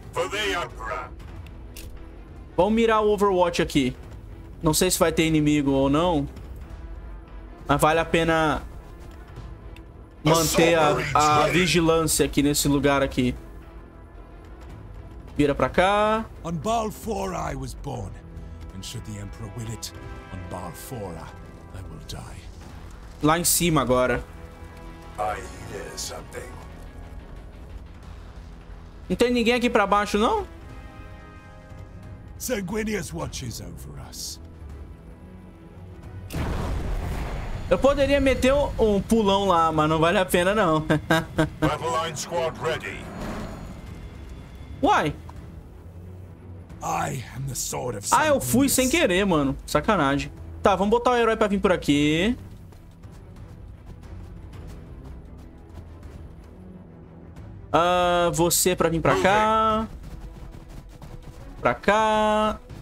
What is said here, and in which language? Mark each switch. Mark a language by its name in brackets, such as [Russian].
[English] For the Emperor. [Portuguese] Vamos mirar o Overwatch aqui. Não sei se vai ter inimigo ou não. Mas vale a pena manter a vigilância aqui nesse lugar aqui. Vira pra cá. [English] On Balfour I was born. And should the Emperor will it, on Balfour I will die. [Portuguese] Lá em cima agora. [English] I hear something. [Portuguese] Não tem ninguém aqui pra baixo, não? [English] Sanguinius watches over us. [Portuguese] Eu poderia meter um pulão lá, mas não vale a pena, não. [English] Battleline squad ready. [Portuguese] Uai. [English] I am the sword of [Portuguese] Sanguinius. Ah, eu fui sem querer, mano. Sacanagem. Tá, vamos botar o herói pra vir por aqui. Você pra vir pra cá. Pra cá.